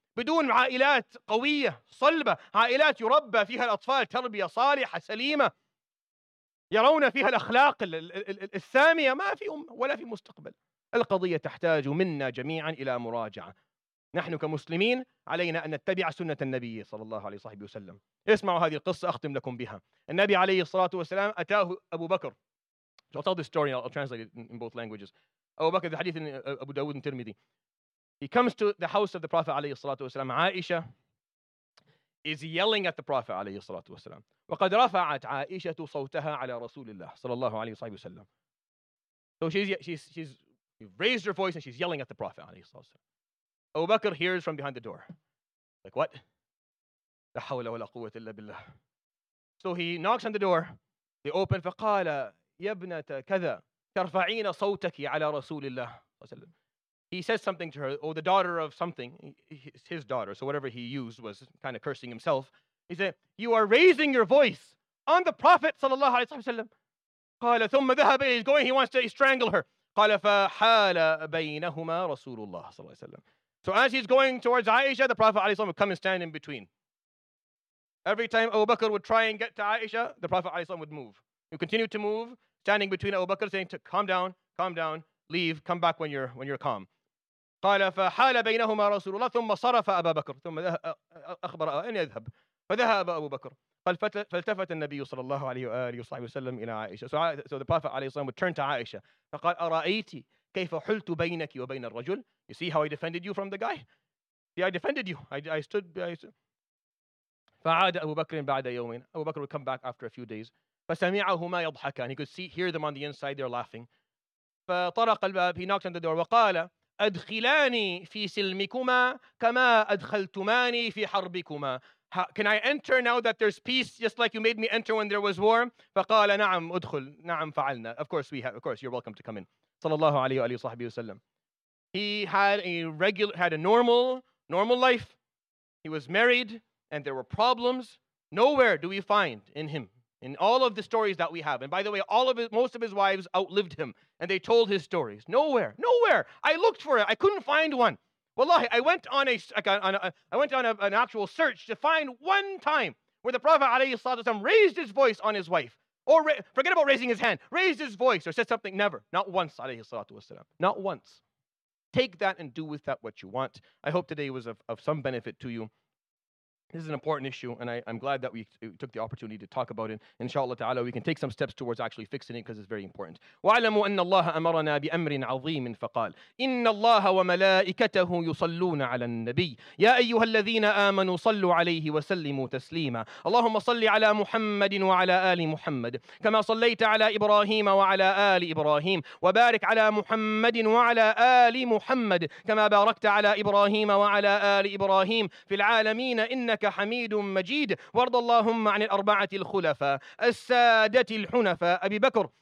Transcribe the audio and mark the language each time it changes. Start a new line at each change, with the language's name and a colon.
Arabic: بدون عائلات قوية صلبة، عائلات يربى فيها الأطفال تربية صالحة سليمة يرون فيها الأخلاق السامية، ما في أمة ولا في مستقبل. القضية تحتاج منا جميعا إلى مراجعة. نحن كمسلمين علينا أن نتبع سنة النبي صلى الله عليه وصحبه وسلم. اسمعوا هذه القصة أختم لكم بها. النبي عليه الصلاة والسلام أتاه أبو بكر.
English: So I'll tell this story, I'll translate it in both languages.
Arabic: أبو بكر في حديث أبو داود الترمذي.
English: He comes to the house of the Prophet عليه الصلاة والسلام. عائشة is yelling at the Prophet عليه الصلاة والسلام.
Arabic: وقد رفعت عائشة صوتها على رسول الله صلى الله عليه وصحبه وسلم.
English: So she's raised her voice and she's yelling at the Prophet عليه الصلاة والسلام. Abu Bakr hears from behind the door. Like, what?
Arabic: لا حول ولا قوة إلا بالله.
English: So he knocks on the door. They open.
Arabic: فقال يا ابنة كذا ترفعين صوتك على رسول الله.
English: He says something to her. Oh, the daughter of something. It's his daughter. So whatever he used was kind of cursing himself. He said, you are raising your voice on the Prophet صلى الله عليه وسلم.
Arabic: قال ثم ذهب.
English: He's going. He wants to strangle her.
Arabic: قال فحال بينهما رسول الله صلى الله عليه وسلم.
English: So as he's going towards Aisha, the Prophet ﷺ would come and stand in between. Every time Abu Bakr would try and get to Aisha, the Prophet ﷺ would move. He would continue to move, standing between Abu Bakr, saying, calm down, leave, come back when you're calm.
Arabic: قال فحال بينهما رسول الله ثم صرف أبا بكر ثم أخبر أن يذهب فذهب أبو بكر فالتفت النبي صلى الله عليه وآله وصحبه وسلم إلى عائشة.
English: So the Prophet ﷺ would turn to Aisha.
Arabic: فقال أرأيتي كيف حلت بينك وبين الرجل.
English: You see how I defended you from the guy? See, I defended you. I stood.
Arabic: فعاد أبو بكر بعد يومين.
English: أبو بكر would come back after a few days.
Arabic: فسمعهما يضحكان.
English: He could hear them on the inside. They're laughing.
Arabic: فطرق الباب.
English: He knocked on the door.
Arabic: وقال أدخلاني في سلمكما كما أدخلتماني في حربكما.
English: Can I enter now that there's peace, just like you made me enter when there was war?
Arabic: فقال نعم أدخل. نعم فعلنا.
English: Of course we have. Of course you're welcome to come in.
Arabic: صلى الله عليه وآله وصحبه وسلم.
English: He had a normal life. He was married and there were problems. Nowhere do we find in him, in all of the stories that we have. And by the way, most of his wives outlived him and they told his stories. Nowhere, nowhere. I looked for it. I couldn't find one. Wallahi, I went on an actual search to find one time where the Prophet ﷺ raised his voice on his wife. Or forget about raising his hand. Raised his voice or said something. Never. Not once, alayhi salatu wasalam. Not once. Take that and do with that what you want. I hope today was of some benefit to you. This is an important issue, and I'm glad that we took the opportunity to talk about it. Inshallah ta'ala, we can take some steps towards actually fixing it because it's very important.
Arabic: وَعَلَمُوا أَنَّ اللَّهَ أَمَرَنَا بِأَمْرٍ عَظِيمٍ فَقَالَ إِنَّ اللَّهَ وَمَلَائِكَتَهُ يُصَلُّونَ عَلَى النَّبِيِّ يَا أَيُّهَا الَّذِينَ آمَنُوا صَلُّوا عَلَيْهِ وَسَلِّمُوا تَسْلِيمًا اللهم صل على محمد وعلى آل محمد كما صليت على إبراهيم وعلى آل إبراهيم وبارك على محمد وعلى آل محمد كما باركت على إبراهيم وعلى آل إبراهيم في العالمين إنك حميد مجيد وارض اللهم عن الأربعة الخلفاء السادة الحنفاء أبي بكر